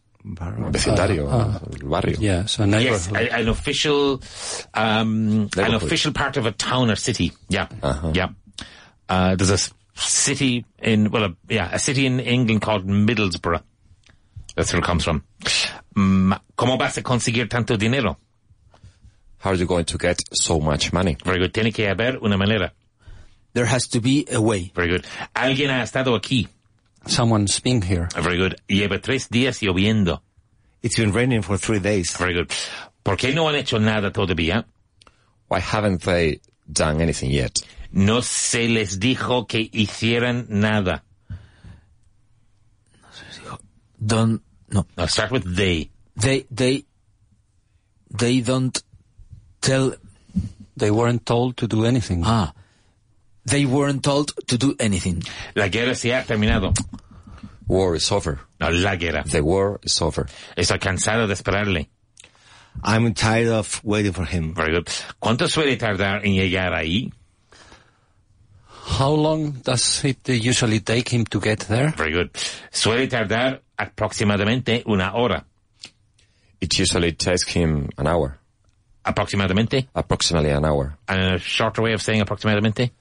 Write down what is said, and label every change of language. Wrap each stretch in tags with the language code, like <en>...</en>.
<es>Vecindario, barrio.</es> <en>Yeah, so a neighborhood. Yes, an official part of a town or city. Yeah, uh-huh. Yeah. There's a city in a city in England called Middlesbrough. That's where it comes from.</en> <es>¿Cómo vas a conseguir tanto dinero?</es> <en>How are you going to get so much money? Very good.</en> <es>Tiene que haber una manera.</es> <en>There has to be a way. Very good.</en> <es>Alguien ha estado aquí.</es> <en>Someone's been here. Very good.</en> <es>Lleva tres días lloviendo.</es> <en>It's been raining for 3 days. Very good.</en> <es>¿Por qué no han hecho nada todavía?</es> <en>Why haven't they done anything yet?</en> <es>No se les dijo que hicieran nada. No se les dijo. No.</es> <en>Start with they. They don't tell. They weren't told to do anything. Ah. They weren't told to do anything.</en> <es>La guerra se ha terminado.</es> <en>War is over.</en> <es>No, la guerra.</es> <en>The war is over.</en> <es>Estoy cansado de esperarle.</es> <en>I'm tired of waiting for him. Very good.</en> <es>¿Cuánto suele tardar en llegar ahí?</es> <en>How long does it usually take him to get there? Very good.</en> <es>Suele tardar aproximadamente una hora.</es> <en>It usually takes him an hour.</en> <es>Approximadamente?</es> <en>Approximately an hour. And a shorter way of saying approximadamente?</en>